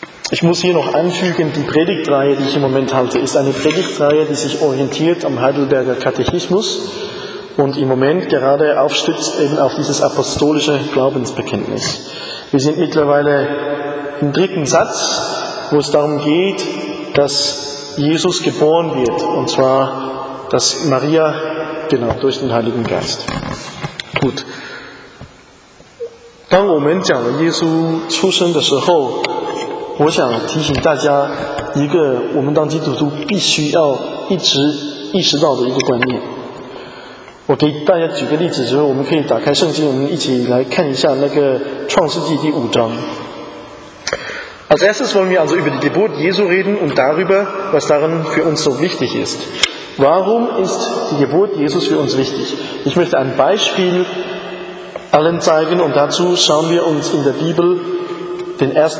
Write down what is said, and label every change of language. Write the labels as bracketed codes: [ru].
[de] Ich muss hier noch anfügen, die Predigtreihe, die ich im Moment halte, ist eine Predigtreihe, die sich orientiert am Heidelberger Katechismus und im Moment gerade aufstützt eben auf dieses apostolische Glaubensbekenntnis. Wir sind mittlerweile im dritten Satz, wo es darum geht, dass Jesus geboren wird, und zwar, dass Maria, genau, durch den Heiligen Geist. Gut. [zh] 当我们讲了耶稣出生的时候, 我想提醒大家一个我们当基督徒必须要一直意识到的一个观念。我给大家举个例子之后，我们可以打开圣经，我们一起来看一下那个创世纪第五章。 [de] Als erstes wollen wir also über die Geburt Jesu reden und darüber, was darin für uns so wichtig ist. Warum ist die Geburt Jesus für uns wichtig? Ich möchte ein Beispiel allen zeigen und dazu schauen wir uns in der Bibel den 1.